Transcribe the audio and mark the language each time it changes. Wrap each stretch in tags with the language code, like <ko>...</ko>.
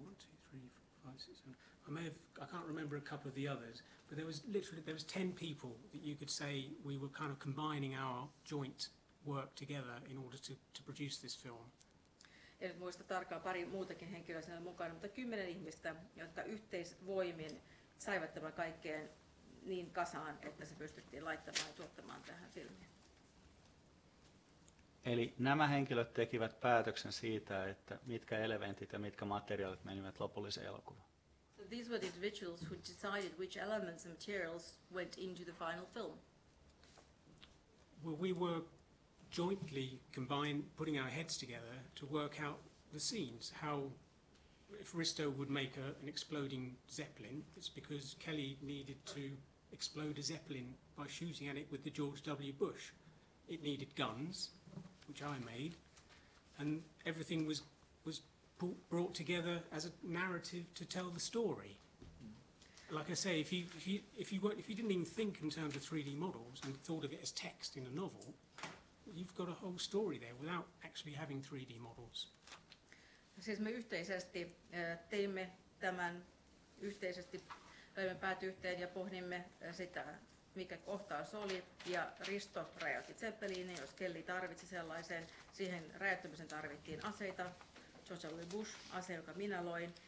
<en>1, 2, 3, 4, 5, 6, 7. I can't remember a couple of the others, but there was 10 people that you could say we were kind of combining our joint work together in order to produce this film.</en> <fi>En muista tarkkaan, pari muutakin henkilöä siellä mukana, mutta 10 ihmistä, jotka yhteisvoimin saivat tämän kaikkeen niin kasaan, että se pystyttiin laittamaan ja tuottamaan tähän filmiin. Eli nämä henkilöt tekivät päätöksen siitä, että mitkä elementit ja mitkä materiaalit menivät lopulliseen elokuvaan.</fi> <en>So these were the individuals who decided which elements and materials went into the final film. Well, we were jointly combined, putting our heads together to work out the scenes. How, if Risto would make an exploding Zeppelin, it's because Kelly needed to explode a Zeppelin by shooting at it with the George W. Bush. It needed guns, which I made, and everything was brought together as a narrative to tell the story. Like I say, if you didn't even think in terms of 3D models and thought of it as text in a novel, you've got a whole story there without actually having 3D models.</en> <fi>Siis me yhteisesti teimme tämän, yhteisesti löimme päät yhteen ja pohdimme sitä, mikä kohtaus oli, ja Risto räjäytti Zeppeliini, jos Kelly tarvitsi sellaisen. Siihen räjäyttämisen tarvittiin aseita. George W. Bush, ase, joka minä loin.</fi>